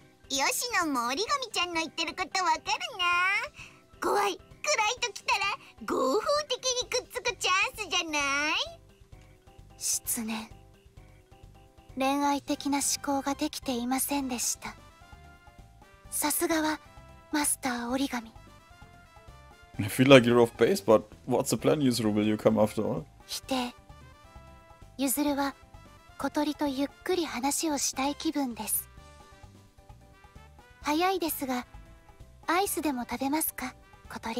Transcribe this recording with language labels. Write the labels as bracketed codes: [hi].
[ja] ヨシノも折り紙ちゃんの言ってることわかるな。怖い、暗いときたら合法的にくっつくチャンスじゃない？失念。恋愛的な思考ができていませんでした。さすがはマスター折り紙。 [en] I feel like you're off base, but what's the plan, Yuzuru? Will you come after all? [ja] 否定。ユズルは小鳥とゆっくり話をしたい気分です。早いですが、アイスでも食べますか、小鳥。